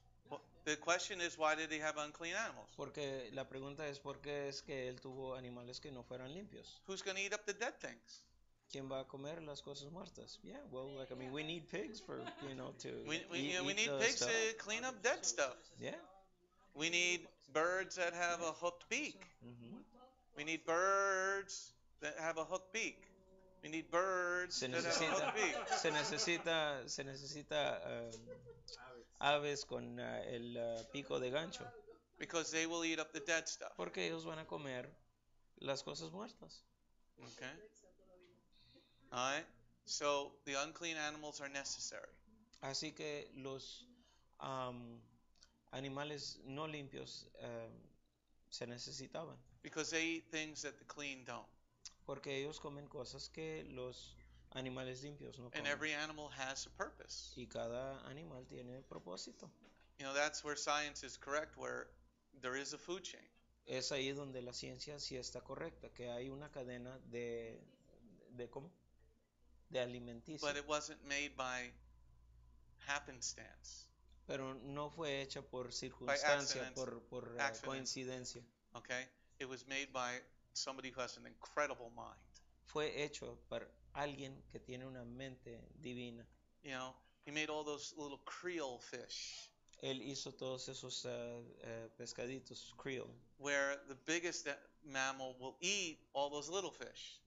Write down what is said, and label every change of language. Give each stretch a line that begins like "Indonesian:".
English: Well, the question is, why did he have unclean animals?
Spanish: Porque la pregunta es por qué es que él tuvo animales que no fueran limpios.
English: Who's going to eat up the dead things?
Spanish: ¿Quién va a comer las cosas muertas?
English: Yeah, well, like, I mean, we need pigs for, you know, to we, eat, you know, we need pigs stuff. To clean up dead stuff. Yeah. We need birds that have a hooked beak. Mm-hmm. We need birds that have a hooked beak. We need birds.
Spanish: Se necesita aves con el pico de gancho.
English: Because they will eat up the dead stuff.
Spanish: Porque ellos van a comer las cosas muertas.
English: Okay. All right. So the unclean animals are necessary.
Spanish: Así que los animales no limpios se necesitaban.
English: Because they eat things that the clean don't.
Spanish: Porque ellos comen cosas que los animales limpios no comen.
English: And every animal has a purpose.
Spanish: Y cada animal tiene propósito.
English: You know, that's where science is correct, where there is a food chain.
Spanish: Es ahí donde la ciencia sí está correcta, que hay una cadena de ¿cómo? De alimenticio.
English: But it wasn't made by happenstance.
Spanish: Pero no fue hecha por circunstancia, por coincidencia.
English: Okay, it was made by somebody who has an incredible mind.
Spanish: Fue hecho por alguien que tiene una mente divina.
English: You know, he made all those little creole fish.
Spanish: Él hizo todos esos pescaditos creole.
English: Where the biggest mammal will eat all those little fish.